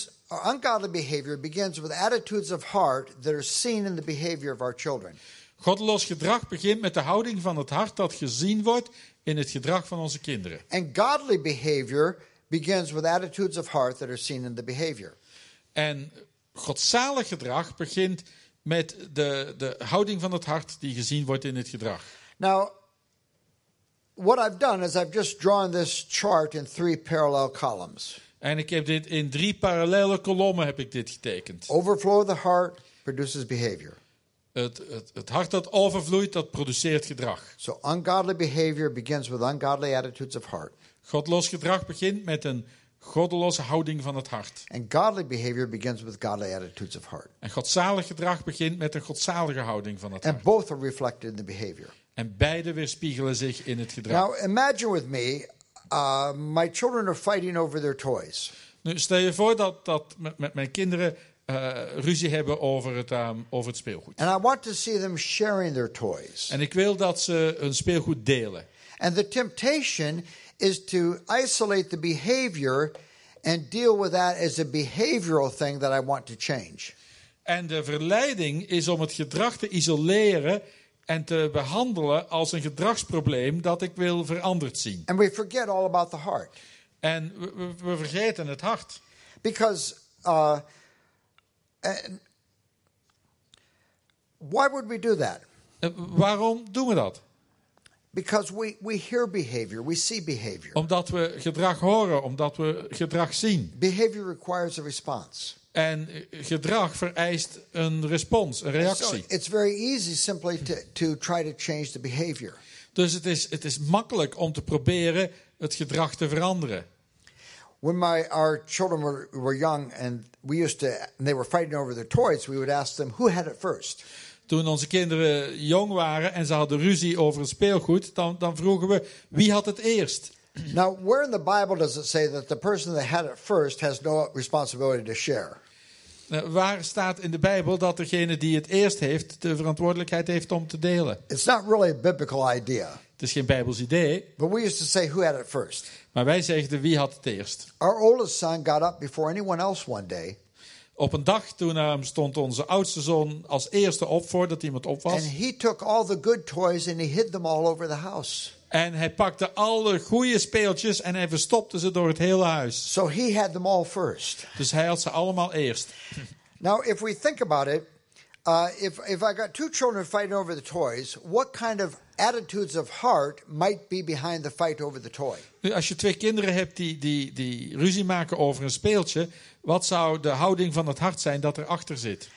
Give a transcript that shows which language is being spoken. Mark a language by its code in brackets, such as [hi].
[en] Ungodly behavior begins with attitudes of heart that are seen in the behavior of our children. [nl] Goddeloos gedrag begint met de houding van het hart dat gezien wordt in het gedrag van onze kinderen. [en] And godly behavior begins with attitudes of heart that are seen in the behavior. [nl] En godzalig gedrag begint met de houding van het hart die gezien wordt in het gedrag. [en] Now, what I've done is I've just drawn this chart in 3 parallel columns. [nl] En ik heb dit in 3 parallele kolommen heb ik dit getekend. [en] Overflow of the heart produces behavior. [nl] Het hart dat overvloeit, dat produceert gedrag. [en] So ungodly behavior begins with ungodly attitudes of heart. [nl] Godloos gedrag begint met een goddeloze houding van het hart. [en] And godly behavior begins with godly attitudes of heart. [nl] En godzalig gedrag begint met een godzalige houding van het hart. [en] And both are reflected in the behavior. [nl] En beide weerspiegelen zich in het gedrag. [en] Now imagine with me, my children are fighting over their toys. [nl] Nu stel je voor dat met mijn kinderen ruzie hebben over het speelgoed. [en] And I want to see them sharing their toys. [nl] En ik wil dat ze hun speelgoed delen. [en] And the temptation is to isolate the behavior and deal with that as a behavioral thing that I want to change. [nl] En de verleiding is om het gedrag te isoleren en te behandelen als een gedragsprobleem dat ik wil veranderd zien. [en] And we forget all about the heart. [nl] En we vergeten het hart. [en] Because why would we do that? [nl] Waarom doen we dat? [en] Because we hear behavior, we see behavior. [nl] Omdat we gedrag horen, omdat we gedrag zien. [en] Behavior requires a response. [nl] En gedrag vereist een respons, een reactie. [en] So it's very easy simply to try to change the behavior. [nl] Dus het is makkelijk om te proberen het gedrag te veranderen. [en] When our children were young and we used to and they were fighting over their toys, we would ask them who had it first. [nl] Toen onze kinderen jong waren en ze hadden ruzie over het speelgoed, dan vroegen we wie had het eerst. [en] Now, where in the Bible does it say that the person that had it first has no responsibility to share? [nl] Waar staat in de Bijbel dat degene die het eerst heeft de verantwoordelijkheid heeft om te delen? [en] It's not really a biblical idea. [nl] Het is geen Bijbels idee. [en] But we used to say who had it first. [nl] Maar wij zeiden wie had het eerst. [en] Our oldest son got up before anyone else one day. [nl] Op een dag toen stond onze oudste zoon als eerste op voordat iemand op was. [en] And he took all the good toys and he hid them all over the house. [nl] En hij pakte alle goede speeltjes en hij verstopte ze door het hele huis. [en] So he had them all first. [nl] Dus hij had ze allemaal eerst. [en] Now if we think about it, if I got two children fighting over the toys, what kind of attitudes of heart might be behind the fight over the toy? [nl] Als je twee kinderen hebt die ruzie maken over een speeltje, wat zou de houding van het hart zijn dat er achter zit?